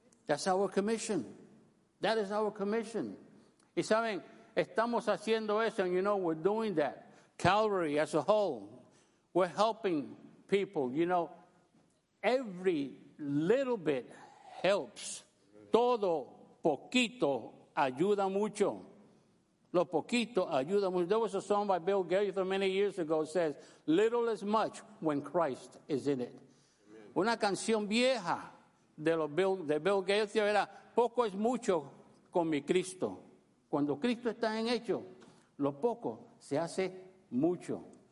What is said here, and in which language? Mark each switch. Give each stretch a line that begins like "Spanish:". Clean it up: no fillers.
English: That's our commission. That is our commission.
Spanish: Y saben, estamos haciendo eso,
English: and you know, we're doing that. Calvary as a whole, we're helping people. You know, every little bit helps.
Spanish: Todo poquito ayuda mucho. Lo poquito ayuda mucho.
English: There was a song by Bill Gaither many years ago that says, little is much when Christ is in it. Amen.
Spanish: Una canción vieja de Bill Gaither era, poco es mucho con mi Cristo. Cuando Cristo está en hecho, lo poco se hace mucho.